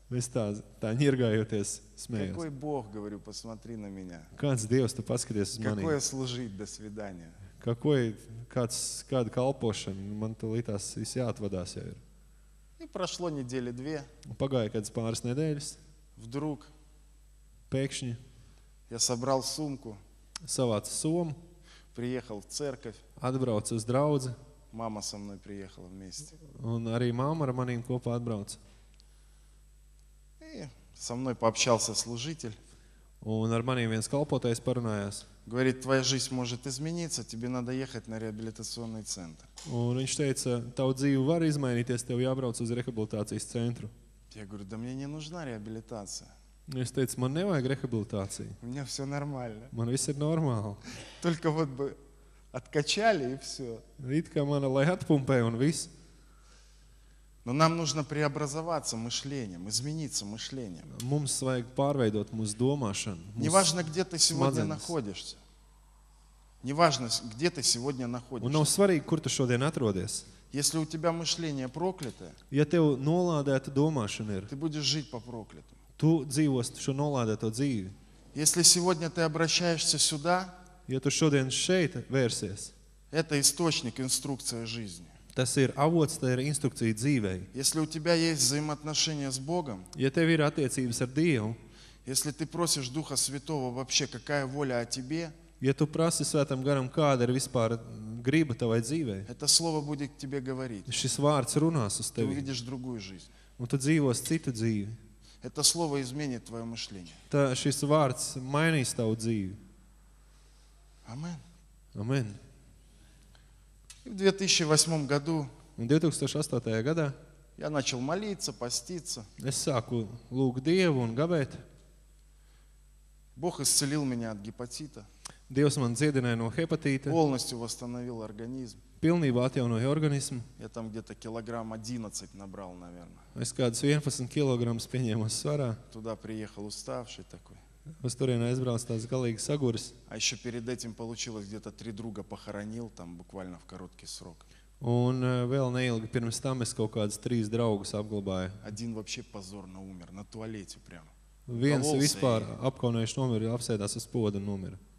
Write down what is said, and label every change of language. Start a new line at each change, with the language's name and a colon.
Latvian: Es tā ņirgājoties smējos.
Russian: Какой Бог, говорю, посмотри на меня.
Latvian: Kāds Dievs, tu paskaties uz mani.
Russian: Какое служить, до свидания. Какой,
Latvian: kāds, kāda kalpošana, man tu līdās viss jāatvadās jau ir.
Russian: И прошло недели две.
Latvian: Pagāja kāds pāris nedēļas.
Russian: Вдруг.
Latvian: Pēkšņi.
Russian: Я собрал сумку.
Latvian: Savāc somu.
Russian: Приехал в церковь.
Latvian: Atbrauc uz draudzi.
Russian: Мама со мной приехала вместе.
Latvian: Un arī mamma ar manīm kopā atbrauc.
Russian: И со мной пообщался служитель.
Latvian: Un ar manīm viens kalpotājs parunājās.
Russian: Говорит: "Твоя жизнь может измениться, тебе надо ехать на реабилитационный центр".
Latvian: Un viņš teica: "Tavu dzīvi var izmainīties, tev jābrauc uz rehabilitācijas centru".
Russian: Я говорю: "Да мне не нужна реабилитация".
Latvian: Es teicu: "Man nevajag rehabilitāciju".
Russian: У меня все нормально.
Latvian: Man viss ir normāli.
Russian: Только вот бы откачали и все. Вид, как она лает пумпой, он Но нам нужно преобразоваться мышлением, измениться мышлением.
Latvian: Mums vajag pārveidot mūsu domāšanu.
Russian: Неважно, где ты сегодня находишься. Неважно, где ты сегодня находишься.
Latvian: Nav svarīgi, kur tu šodien atrodies.
Russian: Если у тебя мышление проклятое.
Latvian: Ja tev nolādēta domāšana ir.
Russian: Ты будешь жить по проклятому.
Latvian: Tu dzīvos šo nolādēto dzīvi.
Russian: Если сегодня ты обращаешься сюда.
Latvian: Ja tu šodien šeit vērsies.
Russian: Это источник, инструкция жизни.
Latvian: Tas ir avots, tā ir instrukcija dzīvei.
Russian: Если у тебя есть взаимоотношения с Богом.
Latvian: Ja tev ir attiecības ar Dievu.
Russian: Если ты просишь Духа Святого вообще, какая воля о тебе.
Latvian: Ja tu prasi Svētam Garam, kāda ir vispār griba tavai dzīvei.
Russian: Это слово будет тебе говорить.
Latvian: Šis vārds runās uz tevi.
Russian: Ты увидишь другую жизнь.
Latvian: Un tu dzīvos citu dzīvi.
Russian: Это слово изменит твое мышление.
Latvian: Tā, šis vārds mainīs tavu dzīvi. Amen. Amen.
Russian: И в 2008 году.
Latvian: Un 2008. Gadā.
Russian: Я начал молиться, поститься.
Latvian: Es sāku lūgt Dievu un gavēt.
Russian: Бог исцелил меня от гепатита.
Latvian: Dievs man dziedināja no hepatīta.
Russian: Полностью восстановил организм.
Latvian: Pilnībā atjaunoju organismu.
Russian: Я там где-то килограмм 11 набрал, наверное.
Latvian: Es kādus 11 kilogramus pieņēmu svarā.
Russian: Туда приехал уставший такой.
Latvian: Uz turienu aizbrauc tās galīgi saguris.
Russian: А еще перед этим получилось где-то три друга похоронил, там буквально в короткий срок.
Latvian: Un vēl neilgi pirms tam es kaut kādus trīs draugus apglabāju.
Russian: Один вообще позорно умер, на туалете прямо.
Latvian: Viens vispār apkaunojuši nomir, apsēdās uz poda nomir.